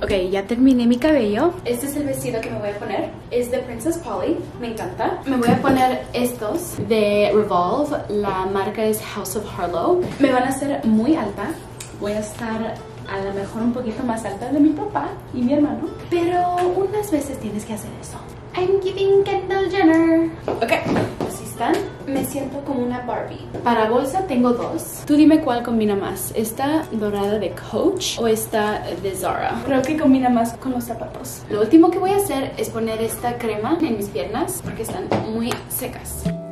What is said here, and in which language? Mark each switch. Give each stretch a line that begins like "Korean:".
Spanish: Ya terminé mi cabello. Este es el vestido que me voy a poner. Es de Princess Polly. Me encanta. Me voy a poner estos de Revolve. La marca es House of Harlow. Me van a hacer muy alta. Voy a estar a lo mejor un poquito más alta de mi papá y mi hermano. Pero unas veces tienes que hacer eso.
English: I'm giving Kendall Jenner.
Spanish: Ok. Así están. Me siento como una Barbie. Para bolsa tengo dos. Tú dime cuál combina más. ¿Esta dorada de Coach o esta de Zara? Creo que combina más con los zapatos. Lo último que voy a hacer es poner esta crema en mis piernas porque están muy secas.